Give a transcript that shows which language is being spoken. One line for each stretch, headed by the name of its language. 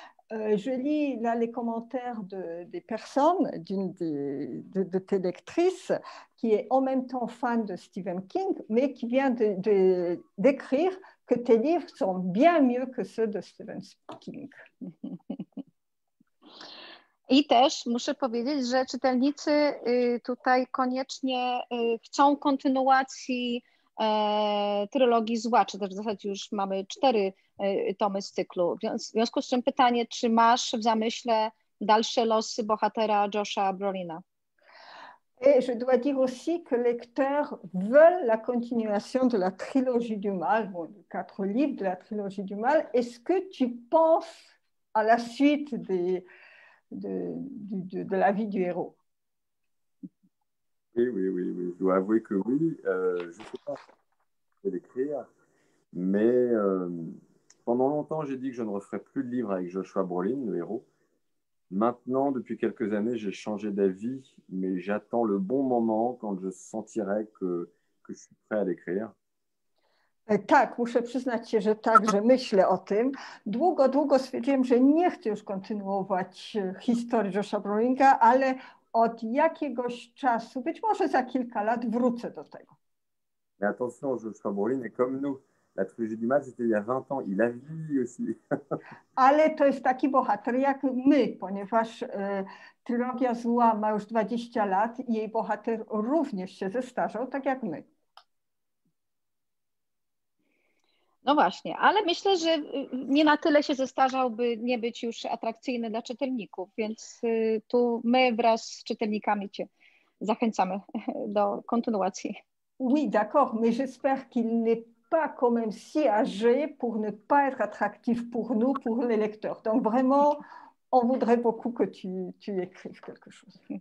French: Je lis là les commentaires des personnes, d'une de tes lectrices, qui est en même temps fan de Stephen King, mais qui vient d'écrire que tes livres sont bien mieux que ceux de Stephen King.
Polish: I też muszę powiedzieć, że czytelnicy tutaj koniecznie chcą kontynuacji trylogii Zła, czy też w zasadzie już mamy cztery tomy z cyklu. W związku z czym pytanie, czy masz w zamyśle dalsze losy bohatera Josha Brolina?
French: Et je dois dire aussi que les lecteurs veulent la continuation de la trilogie du mal, bon, les quatre livres de la trilogie du mal. Est-ce que tu penses à la suite de la vie du héros? Oui. Je dois avouer que oui. Je ne sais pas comment l'écrire, mais pendant longtemps, j'ai dit que je ne referais plus de livres avec Joshua Brolin, le héros. Maintenant, depuis quelques années, j'ai changé d'avis, mais j'attends le bon moment quand je sentirai que je suis prêt à l'écrire.
Polish: Tak, muszę przyznać się, że tak, że myślę o tym. Długo, długo stwierdziłem, że nie chcę już kontynuować historii Josha Brolinga, ale od jakiegoś czasu, być może za kilka lat, wrócę do tego.
French: Mais attention, Joshua Brolin est comme nous. La trilogie du mal, c'était il y a 20 ans. Il a vie aussi.
Polish: Ale to jest taki bohater jak my, ponieważ trilogia zła ma już 20 lat i jej bohater również się zestarzał, tak jak my. No właśnie, ale myślę, że nie na tyle się zestarzał, by nie być już atrakcyjny dla czytelników, więc tu my wraz z czytelnikami cię zachęcamy do kontynuacji.
French: Oui, d'accord, mais j'espère qu'il n'est pas quand même si âgé pour ne pas être attractif pour nous, pour les lecteurs. Donc vraiment, on voudrait beaucoup que tu écrives quelque chose.